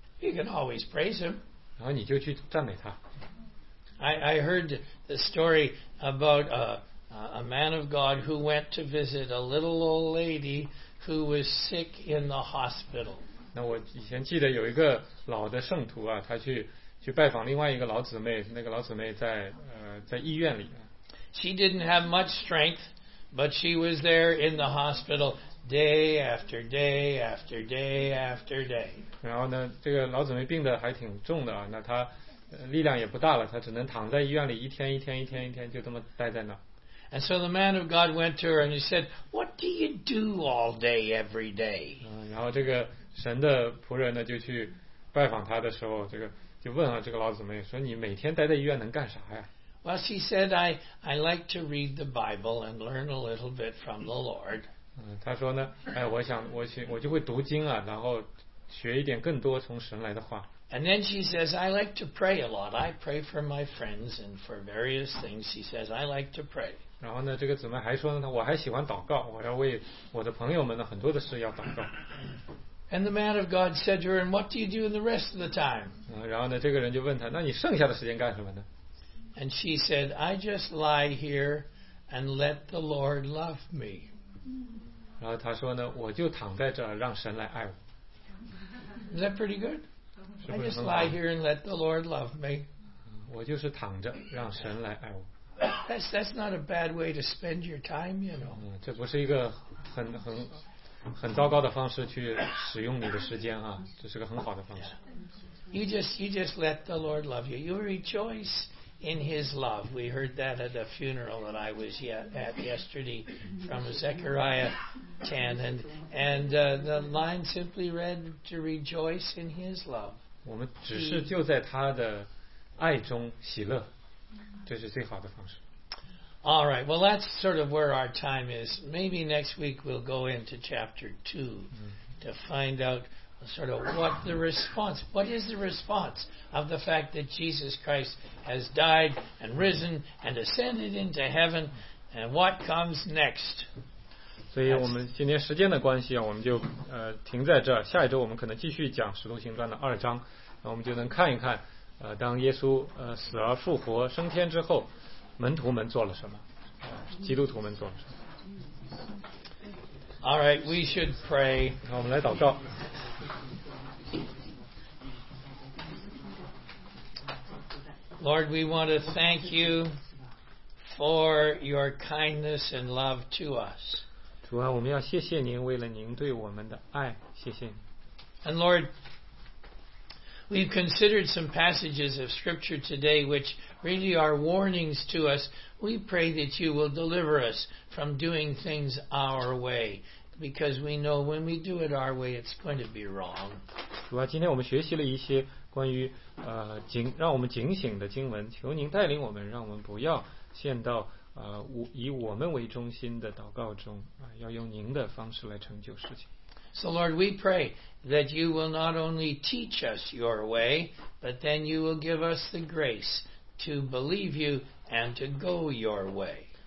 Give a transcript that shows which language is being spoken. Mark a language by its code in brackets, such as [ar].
[en] You can always praise Him. [zh] 然后你就去赞美他。 [en] I heard the story about a man of God who went to visit a little old lady who was sick in the hospital. [zh] 那我以前记得有一个老的圣徒啊，他去拜访另外一个老姊妹，那个老姊妹在医院里。 [en] She didn't have much strength. But she was there in the hospital day after day after day after day. [zh] 然后呢，这个老姊妹病得还挺重的啊，那她力量也不大了，她只能躺在医院里一天一天一天一天就这么待在那。 [en] And so the man of God went to her and he said, "What do you do all day every day?" [zh] 然后这个神的仆人呢就去拜访她的时候，这个就问了这个老姊妹说：“你每天待在医院能干啥呀？” [en] Well, she said, "I like to read the Bible and learn a little bit from the Lord." [zh] 她说呢，哎，我就会读经啊，然后学一点更多从神来的话。 [en] And then she says, "I like to pray a lot. I pray for my friends and for various things." She says, "I like to pray." [zh] 然后呢，这个姊妹还说呢，我还喜欢祷告，我要为我的朋友们呢很多的事要祷告。 [en] And the man of God said to her, "And what do you do in the rest of the time?" [zh] 然后呢，这个人就问她，那你剩下的时间干什么呢？ [en] And she said, "I just lie here and let the Lord love me." [zh] 然后她说呢，我就躺在这儿，让神来爱我。 [en] Is that pretty good? I just lie here and let the Lord love me. [zh] 我就是躺着，让神来爱我。 [en] That's not a bad way to spend your time, you know. [zh] 这不是一个很糟糕的方式去使用你的时间啊，这是个很好的方式。 [en] You just let the Lord love you. You rejoice. In His love, we heard that at a funeral that I was at yesterday from Zechariah 10, the line simply read, "To rejoice in His love." [zh] 我们只是就在他的爱中喜乐，这是最好的方式。 [en] All right, well, that's sort of where our time is. Maybe next week we'll go into chapter 2 to find out. Sort of what the response, what is the response of the fact that Jesus Christ has died and risen and ascended into heaven and what comes next? [zh] 所以我们今天时间的关系啊，我们就停在这儿。下一周我们可能继续讲《使徒行传》的二章，那我们就能看一看当耶稣死而复活升天之后，门徒们做了什么，基督徒们做了什么。 [en] All right, we should pray. [zh] 那我们来祷告。 [en] Lord, we want to thank you for your kindness and love to us. [zh] 主啊，我们要谢谢您，为了您对我们的爱，谢谢您。 [en] And Lord, we've considered some passages of Scripture today which really are warnings to us. We pray that you will deliver us from doing things our way. Because we know when we do it our way, it's going to be wrong. [zh] 主啊，今天我们学习了一些关于让我们警醒的经文，求您带领我们，让我们不要陷到以我们为中心的祷告中啊，要用您的方式来成就事情。 [en] So Lord, we pray that you will not only teach us your way, but then you will give us the grace to believe you and to go your way.